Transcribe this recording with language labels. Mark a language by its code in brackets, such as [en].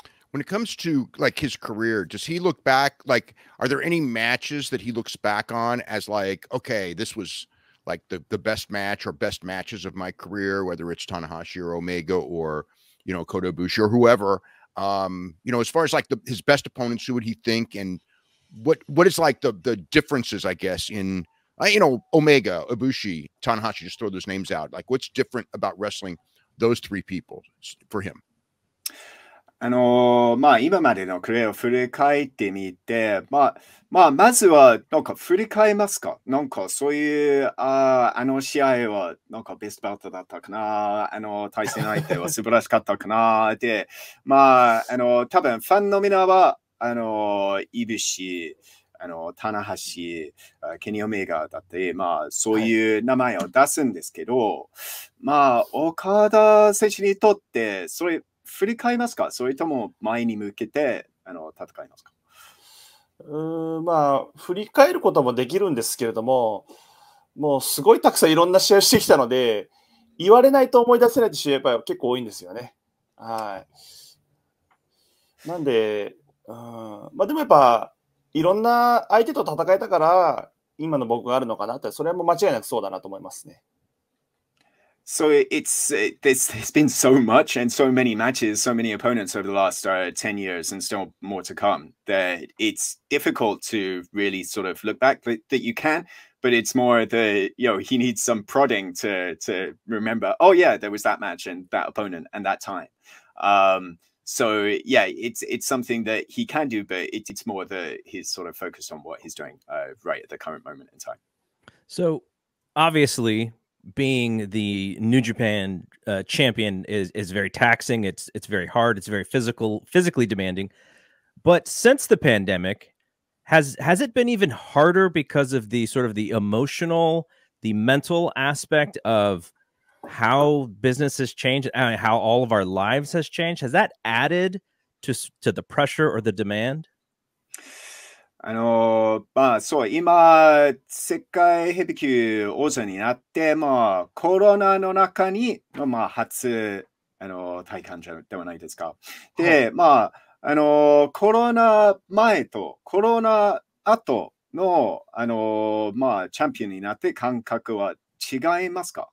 [en] When it comes to like his career, does he look back, like, are there any matches that he looks back on as like, okay, this was like the best match or best matches of my career, whether it's Tanahashi or Omega or, you know, Kota Ibushi or whoever, you know, as far as like his best opponents, who would he think, and what is like the differences, I guess, in, you know, Omega, Ibushi, Tanahashi, just throw those names out. Like, what's different about wrestling those three people for him? [ja] まあ、今までのクレアを振り返ってみて、まあ、まあ、まずは、なんか振り返りますか？なんかそういう、あの試合は、なんかベストバウトだったかな？対戦相手は素晴らしかったかな？で、まあ、多分ファンの皆は、イブシ、棚橋、ケニオメガだって、まあ、そういう名前を出すんですけど、はい、まあ、岡田選手にとって、それ、振り返りますか、それとも前に向けて戦いますか。まあ、振り返ることもできるんですけれども、もうすごいたくさんいろんな試合をしてきたので、言われないと思い出せないって試合やっぱり結構多いんですよね。はい。なんで、まあでもやっぱいろんな相手と戦えたから今の僕があるのかなって、それはもう間違いなくそうだなと思いますね。 [en] So there's been so much and so many matches, so many opponents over the last 10 years and still more to come that it's difficult to really sort of look back that you can, but it's more the, you know, he needs some prodding to remember, oh yeah, there was that match and that opponent and that time. So yeah, it's something that he can do, but it's more that he's sort of focused on what he's doing right at the current moment in time. So obviously, being the New Japan champion is very taxing. It's very hard. It's very physically demanding. But since the pandemic, has it been even harder because of the sort of the emotional, the mental aspect of how business has changed, how all of our lives has changed? Has that added to the pressure or the demand? [ja] あの、まあそう、今、世界ヘビ級王者になって、まあコロナの中に、まあ初、あの、体感ではないですか。で、はい、まあ、あの、コロナ前とコロナ後の、あの、まあチャンピオンになって感覚は違いますか？